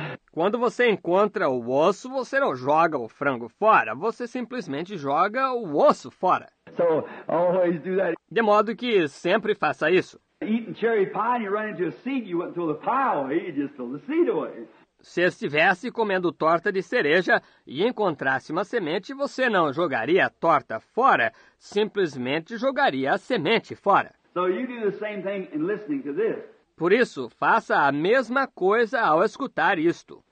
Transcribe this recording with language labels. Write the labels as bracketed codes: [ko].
[pt] Quando você encontra o osso, você não joga o frango fora, você simplesmente joga o osso fora. [en] So, always do that. [pt] De modo que sempre faça isso. [en] Eating cherry pie and you run into a seed, you went through the pie away, you just threw the seed away. [pt] Se estivesse comendo torta de cereja e encontrasse uma semente, você não jogaria a torta fora, simplesmente jogaria a semente fora. [en] So you do the same thing in listening to this. [pt] Por isso, faça a mesma coisa ao escutar isto.